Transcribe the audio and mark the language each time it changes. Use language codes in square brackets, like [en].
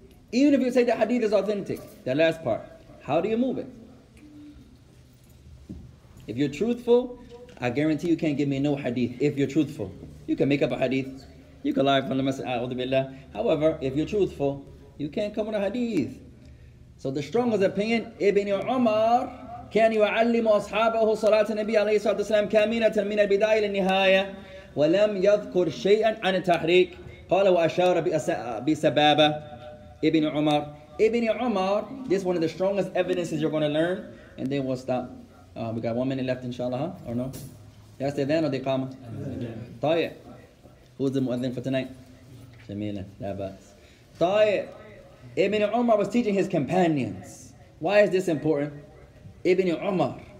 [en] Even if you say the hadith is authentic, that last part, how do you move it? If you're truthful, I guarantee you can't give me no hadith if you're truthful. You can make up a hadith. You can lie from the Messiah. However, if you're truthful, you can't come with a hadith. So the strongest opinion, [ar] Ibn Umar, كان يعلم أصحابه صلاة النبي عليه الصلاة والسلام كامينة من البداية للنهاية ولم يذكر شيئا عن التحريك قال وأشار بسبابة ابن عمر ابن عمر. [en] This is one of the strongest evidences you're going to learn, and then we'll stop. We got 1 minute left, inshallah, huh? Or no? That's the then or the qama? طيب. Who's the muadhin for tonight? جميلة. [ar] لا بأس. [en] طيب. Ibn Umar was teaching his companions. Why is this important? Ibn Umar.